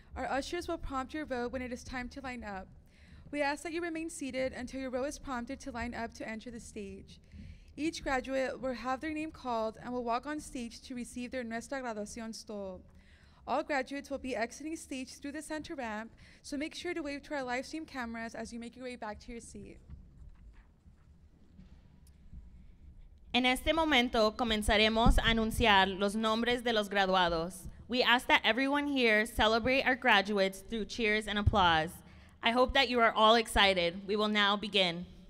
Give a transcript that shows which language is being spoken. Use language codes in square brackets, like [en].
[en] Our ushers will prompt your vote when it is time to line up. We ask that you remain seated until your row is prompted to line up to enter the stage. Each graduate will have their name called and will walk on stage to receive their Nuestra Graduación stole. All graduates will be exiting stage through the center ramp, so make sure to wave to our live stream cameras as you make your way back to your seat. [es] En este momento comenzaremos a anunciar los nombres de los graduados. [en] We ask that everyone here celebrate our graduates through cheers and applause. I hope that you are all excited. We will now begin.